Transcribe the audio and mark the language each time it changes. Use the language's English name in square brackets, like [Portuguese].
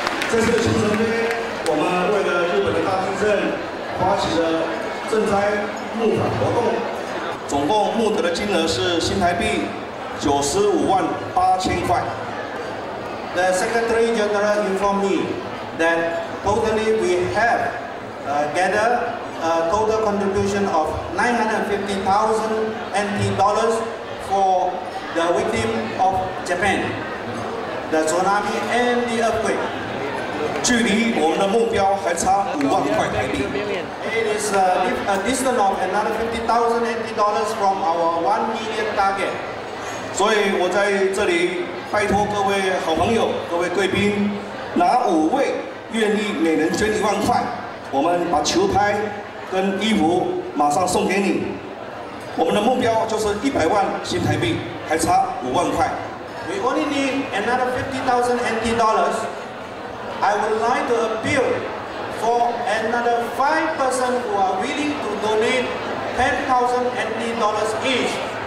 [Chinese] 这次青城杯，我们为了日本的大地震，发起了赈灾募款活动，总共募得的金额是新台币958,000块。 [English] The Secretary General informed me that totally we have gathered a total contribution of NT$950,000 for the victim of Japan, the tsunami and the earthquake. [Chinese] 距离我们的目标还差50,000,000台币。 [English] It is a distance of another NT$50,000 from our $1 million target. [Chinese] 所以我在这里。拜托各位好朋友、各位贵宾，哪五位愿意每人捐10,000块？我们把球拍跟衣服马上送给你。我们的目标就是100万新台币，还差50,000块。 [English] We only need another NT$50,000. I would like to appeal for another 5 persons who are willing to donate NT$10,000 each.